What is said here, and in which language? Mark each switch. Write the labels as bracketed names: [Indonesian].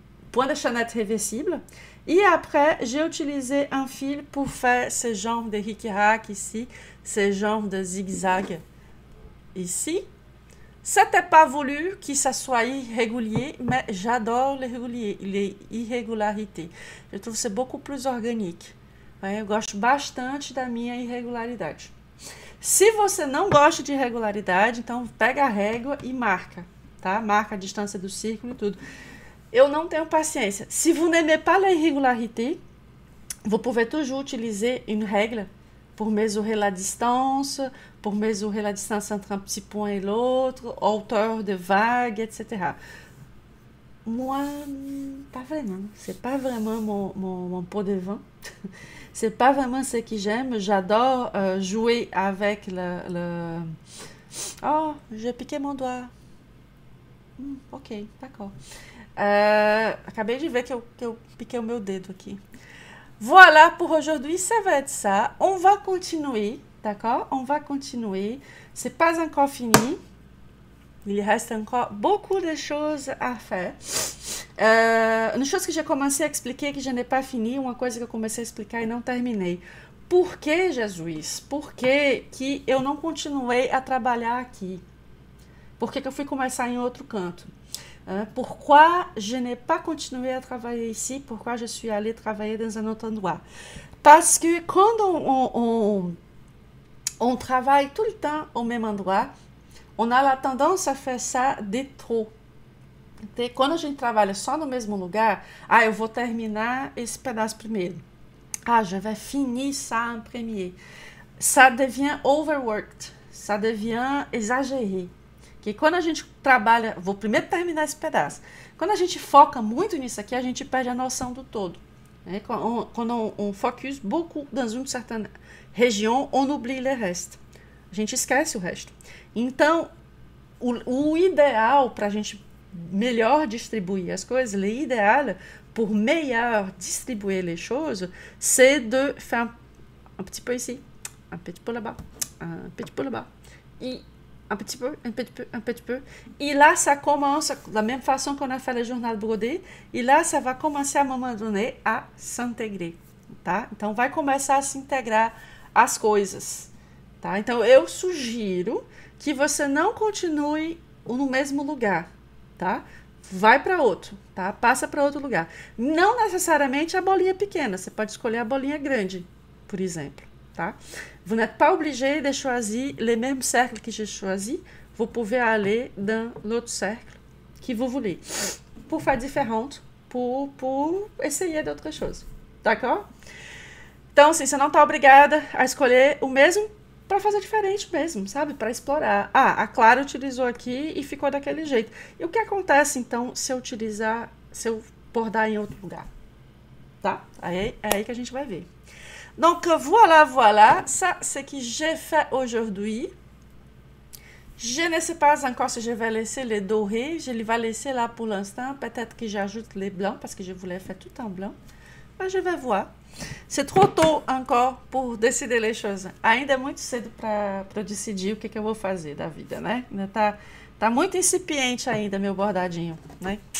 [French] Point de chaînette réversible. Et après, j'ai utilisé un fil pour faire ce genre de ric-rac ici, ce genre de zigzag. Ici, c'était pas voulu que ça soit irrégulier, mais j'adore les irrégularités. Je trouve que c'est beaucoup plus organique. [Portuguese] Eu gosto bastante da minha irregularidade. Se você não gosta de irregularidade, então pega a régua e marca, tá? Marca a distância do círculo e tudo. Eu não tenho paciência. [French] Se vous n'aimez pas les irrégularités, vous pouvez toujours utiliser une règle. Pour mesurer la distance, pour mesurer la distance entre un petit point et l'autre, hauteur de vague, etc. Moi, pas vraiment. C'est pas vraiment mon pot de vin. C'est pas vraiment ce que j'aime. J'adore jouer avec le. Oh, j'ai piqué mon doigt. Ok, d'accord. [Portuguese] Acabei de ver que eu piquei o meu dedo aqui. [French] Voilà pour aujourd'hui, ça va être ça. On va continuer, d'accord? On va continuer. C'est pas encore fini. Il reste encore beaucoup de choses à faire. Une chose que j'ai commencé à expliquer, que je n'ai pas fini, [Portuguese] uma coisa que eu comecei a explicar e não terminei. Por que, Jesus? Por que eu não continuei a trabalhar aqui? Por que que eu fui começar em outro canto? [French] Pourquoi je n'ai pas continué à travailler ici? Pourquoi je suis allée travailler dans un autre endroit? Parce que quand On travaille tout le temps au même endroit. On a la tendance à faire ça de trop. [Portuguese] Então, quando a gente trabalha só no mesmo lugar, ah, eu vou terminar esse pedaço primeiro. [French] Ah, je vais finir ça en premier. Ça devient overworked. Ça devient exagéré. [Portuguese] Que quando a gente trabalha, vou primeiro terminar esse pedaço. Quando a gente foca muito nisso aqui, a gente perde a noção do todo. Né? [French] Quando on focus beaucoup dans une certaine région, on oublie le reste. [Portuguese] A gente esquece o resto. Então, o ideal para a gente melhor distribuir as coisas, [French] l'idéal pour meilleur distribuer les choses, c'est de faire un petit peu ici, un petit peu là-bas, un petit peu là-bas, et un petit peu, un petit peu, un petit peu. Et là, ça commence, de la même façon qu'on a fait le journal brodé, et là, ça va commencer à un moment donné à s'intégrer, tá? [Portuguese] Então, vai começar a se integrar as coisas, tá? Então, eu sugiro que você não continue no mesmo lugar. Tá? Vai para outro, tá? Passa para outro lugar. Não necessariamente a bolinha pequena, você pode escolher a bolinha grande, por exemplo, tá? [French] Vous n'êtes pas obligé de choisir le même cercle que j'ai choisi, vous pouvez aller dans l'autre cercle que vous voulez. Pour faire différente, pour essayer d'autres choses. D'accord? [Portuguese] Então, assim, você não tá obrigada a escolher o mesmo para fazer diferente mesmo, sabe? Para explorar. Ah, a Clara utilizou aqui e ficou daquele jeito. E o que acontece então se eu utilizar, se eu bordar em outro lugar? Tá? É aí que a gente vai ver. [French] Donc voilà, ça c'est ce que j'ai fait aujourd'hui. Je ne sais pas encore si je vais laisser les dorés, je les vais laisser là pour l'instant. Peut-être que j'ajoute les blancs parce que je voulais faire tout en blanc. Mais je vais voir. C'est trop tôt encore pour décider les choses. [Portuguese] Ainda é muito cedo para decidir o que que eu vou fazer da vida, né? Ainda tá muito incipiente ainda meu bordadinho, né?